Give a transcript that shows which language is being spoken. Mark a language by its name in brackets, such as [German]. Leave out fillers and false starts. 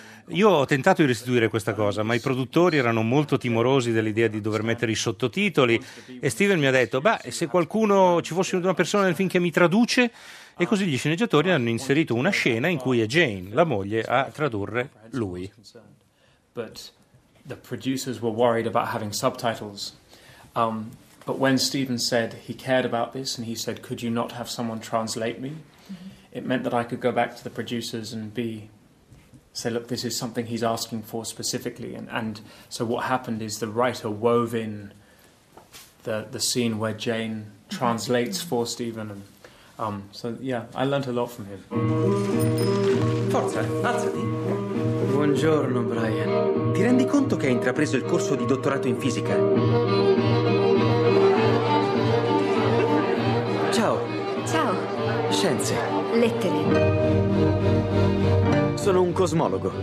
[Italian] Io ho tentato di restituire questa cosa, ma i produttori erano molto timorosi dell'idea di dover mettere i sottotitoli. E Stephen mi ha detto: beh, se qualcuno, ci fosse una persona nel film che mi traduce. E così gli sceneggiatori hanno inserito una scena in cui è Jane, la moglie, a tradurre lui. [English] The producers were worried about having subtitles. But when Stephen said he cared about this and he said, could you not have someone translate me? Mm-hmm. It meant that I could go back to the producers and be, say, look, this is something he's asking for specifically. And so what happened is the writer wove in the scene where Jane translates for Stephen. And, so, yeah, I learned a lot from him. [Italian] Forza, alzati. Buongiorno, Brian. Ti rendi conto che hai intrapreso il corso di dottorato in fisica? Ciao. Ciao. Scienze. Lettere. Sono un cosmologo.